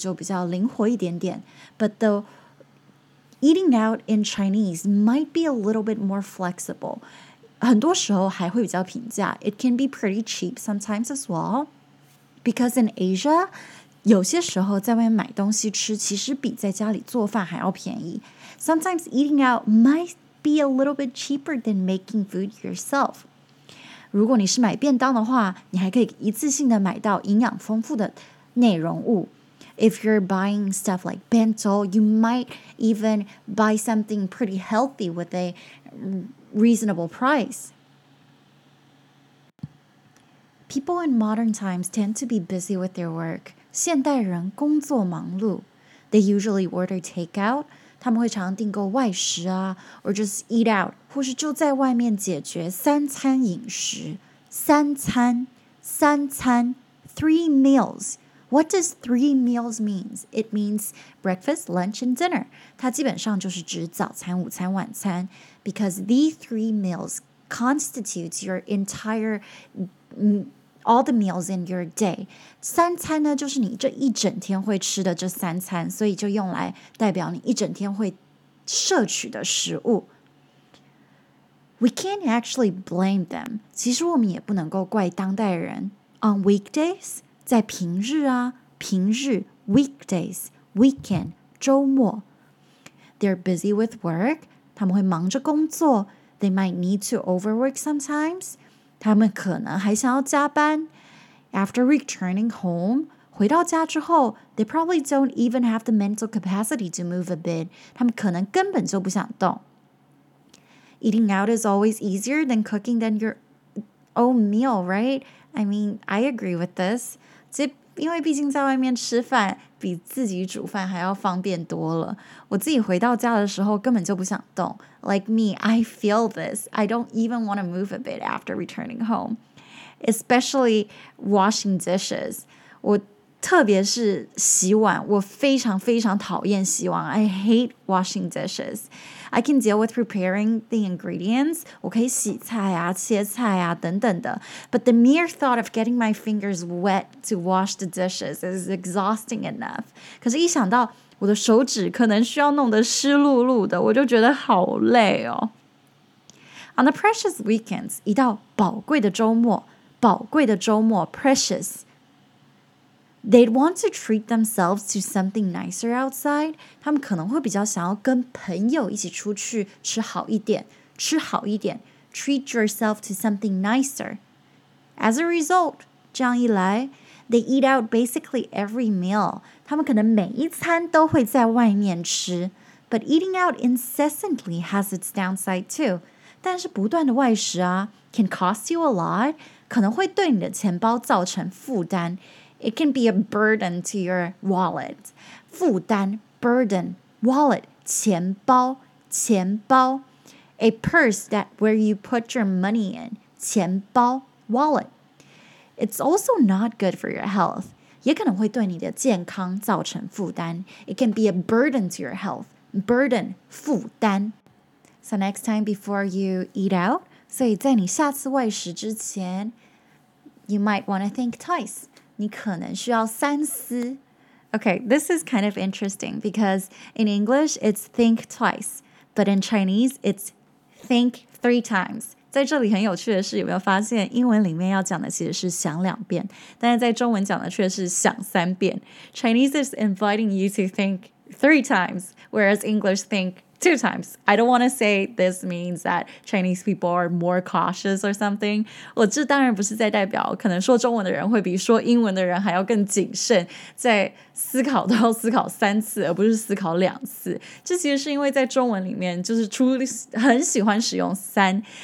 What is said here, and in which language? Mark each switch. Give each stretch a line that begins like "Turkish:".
Chinese: 但是在中文里面的外食其实就比较灵活一点点,
English: but the eating out in Chinese might be a little bit more flexible.
Chinese: 很多时候还会比较平价,
English: it can be pretty cheap sometimes as well. Because in Asia,
Chinese: 有些时候在外面买东西吃其实比在家里做饭还要便宜.
English: Sometimes eating out might be a little bit cheaper than making food yourself.
Chinese: 如果你是买便当的话, 你还可以一次性的买到营养丰富的内容物.
English: If you're buying stuff like bento, you might even buy something pretty healthy with a reasonable price. People in modern times tend to be busy with their work.
Chinese: 现代人工作忙碌.
English: They usually order takeout.
Chinese: 他们会常订购外食啊,
English: or just eat out.
Chinese: 或是就在外面解决三餐饮食. 三餐, 三餐,
English: three meals. What does three meals mean? It means breakfast, lunch, and dinner.
Chinese: 它基本上就是指早餐、午餐、晚餐.
English: Because these three meals constitutes your entire... All the meals in your day.
Chinese: 三餐呢,就是你这一整天会吃的这三餐, 所以就用来代表你一整天会摄取的食物。
English: We can't actually blame them.
Chinese: 其实我们也不能够怪当代人。
English: On weekdays,
Chinese: 在平日啊，平日
English: weekdays, weekend, 周末 They're busy with work,
Chinese: 他们会忙着工作
English: They might need to overwork sometimes,
Chinese: 他们可能还想要加班
English: After returning home,
Chinese: 回到家之后
English: They probably don't even have the mental capacity to move a bit,
Chinese: 他们可能根本就不想动
English: Eating out is always easier than cooking than your own meal, right? I mean, I agree with this.
Chinese: 因为毕竟在外面吃饭比自己煮饭还要方便多了。我自己回到家的时候根本就不想动。
English: Like me, I feel this. I don't even want to move a bit after returning home. Especially washing dishes.
Chinese: 我特别是洗碗,我非常非常讨厌洗碗。
English: I hate washing dishes. I can deal with preparing the ingredients.
Chinese: 我可以洗菜啊,切菜啊,等等的。
English: But the mere thought of getting my fingers wet to wash the dishes is exhausting enough.
Chinese: 可是一想到我的手指可能需要弄得湿漉漉的,我就觉得好累哦。
English: On the precious weekends,
Chinese: 一到宝贵的周末,宝贵的周末
English: ,precious,They'd want to treat themselves to something nicer outside.
Chinese: 他们可能会比较想要跟朋友一起出去吃好一点，吃好一点。
English: Treat yourself to something nicer. As a result,
Chinese: 这样一来
English: they eat out basically every meal.
Chinese: 他们可能每一餐都会在外面吃。
English: But eating out incessantly has its downside too.
Chinese: 但是不断的外食啊
English: can cost you a lot.
Chinese: 可能会对你的钱包造成负担。
English: It can be a burden to your wallet. 负担 burden, wallet, 钱包钱包 A purse that where you put your money in, 钱包 wallet. It's also not good for your health.
Chinese: 也可能会对你的健康造成负担
English: It can be a burden to your health. Burden, 负担 So next time before you eat out,
Chinese: 所以在你下次外食之前
English: you might want to think twice.
Chinese: 你可能需要三思。
English: Okay, this is kind of interesting because in English, it's think twice. But in Chinese, it's think three times.
Chinese: 在这里很有趣的是有没有发现英文里面要讲的其实是想两遍但是在中文讲的却是想三遍。
English: Chinese is inviting you to think three times, whereas English think two times. I don't want to say this means that Chinese people are more cautious or something.
Chinese: 我这当然不是在代表可能说中文的人会比说英文的人还要更谨慎在思考都要思考三次而不是思考两次。这其实是因为在中文里面就是很喜欢使用三。